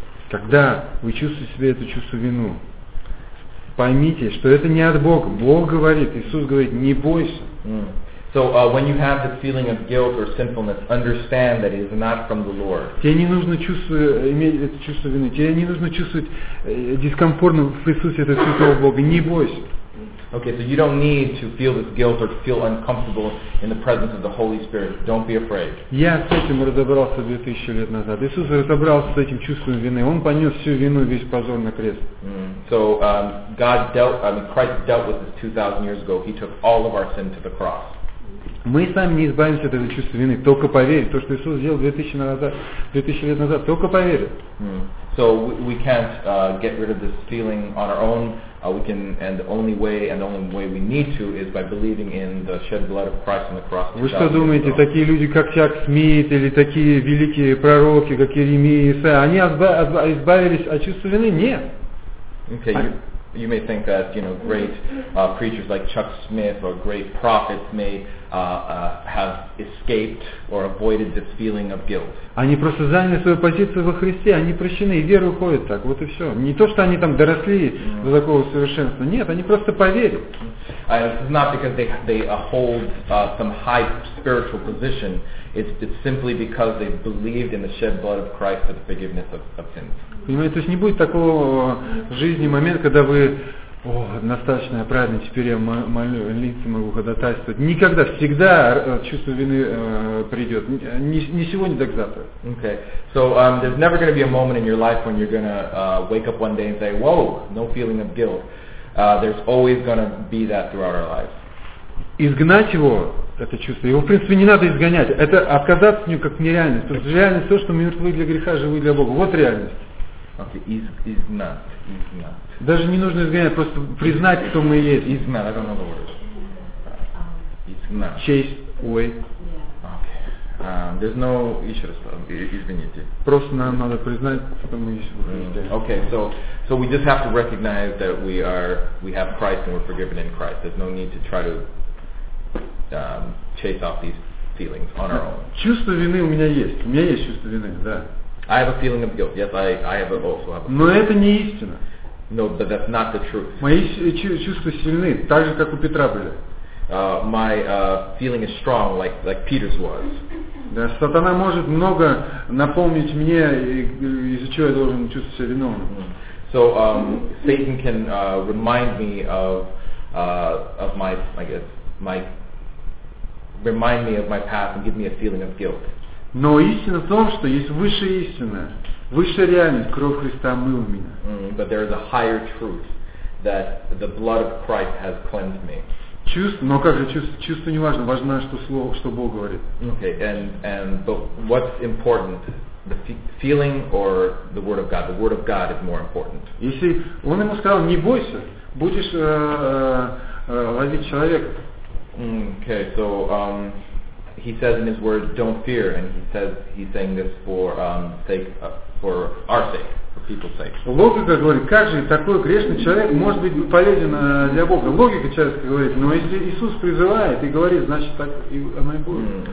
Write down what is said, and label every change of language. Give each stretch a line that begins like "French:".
Russian: Когда вы чувствуете себе это чувство вину, поймите, что это не от Бога. Бог говорит, Иисус говорит, не бойся.
English: So when you have the feeling of guilt or sinfulness, understand that it is not from the Lord.
Russian: Тебе не нужно иметь это чувство вины. Тебе не нужно чувствовать дискомфортно в Иисусе это чувство Бога. Не бойся.
English: Okay, so you don't need to feel this guilt or to feel uncomfortable in the presence of the Holy Spirit. Don't be afraid.
Russian: Я с этим разобрался 2000 лет назад. Иисус разобрался с этим чувством вины. Он понес всю вину, весь позор на крест.
English: So Christ dealt with this 2000 years ago. He took all of our sin to the cross.
Russian: Мы сами не избавимся от этого чувства вины. Только поверь. То, что Иисус сделал 2000 лет назад, только поверь.
English: So we can't get rid of this feeling on our own. The only way we need to is by believing in the shed blood of Christ on the cross.
Russian: Вы что думаете, такие люди, как Чак Смит или такие великие пророки, как Иеремия и Исаия, они избавились от чувства вины? Нет.
English: Okay, you may think that, you know, great preachers like Chuck Smith or great prophets may have escaped or avoided this feeling of guilt.
Russian: Они просто заняли свою позицию во Христе, они прощены, и вера уходит так, вот и все. Не то, что они там доросли до такого совершенства, нет, они просто поверили.
English: It's not because they hold some high spiritual position, it's simply because they believed in the shed blood of Christ for the forgiveness of sins.
Russian: Понимаете, то есть не будет такого в жизни момента, когда вы, о, достаточно, я правильно, теперь я молиться могу, ходатайствовать. Никогда, всегда чувство вины придет. Не сегодня, так завтра.
English: Okay, so there's never going to be a moment in your life when you're going to wake up one day and say, whoa, no feeling of guilt. There's always going to be that throughout our lives.
Russian: Изгнать его, это чувство, его в принципе не надо изгонять. Это отказаться от него как нереальность. Это реальность то, что мертвы для греха, живы для Бога. Вот реальность.
English: Okay, is not.
Russian: Даже не нужно изгонять, просто признать, кто мы есть.
English: Is not, I don't know the word. Is not. Chase away. Okay. There's no,
Russian: еще раз, извините. Просто нам надо признать, кто мы есть.
English: Okay, so we just have to recognize that we have Christ and we're forgiven in Christ. There's no need to try to chase off these feelings on our own.
Russian: Чувство вины у меня есть. У меня есть чувство вины, да.
English: I have a feeling of guilt. Yes, I have also have a feeling.
Russian: Но это не истина.
English: No, but that's not the truth.
Russian: Мои чувства сильны, так же, как у Петра были.
English: My feeling is strong, like Peter's was.
Russian: Да, сатана может много напомнить мне, из-за чего я должен чувствовать себя виновным.
English: So Satan can remind me of my, I guess, my remind me of my past and give me a feeling of guilt.
Russian: Но истина в том, что есть высшая истина, высшая реальность, кровь Христа омыла меня.
English: But there is a higher truth that the blood of Christ has cleansed me.
Russian: Чувство, но как же чувство? Чувство не важно, важно, что слово, что Бог говорит.
English: Okay, and but what's important, the feeling or the word of God? The word of God is more important.
Russian: Если он ему сказал, не бойся, будешь ловить человека.
English: Okay, so he says in his word, don't fear, and he says he's saying this for sake, for our sake.
Russian: Логика говорит, как же такой грешный человек может быть полезен для Бога? Логика человеческая говорит, но если Иисус призывает и говорит, значит так и оно и будет.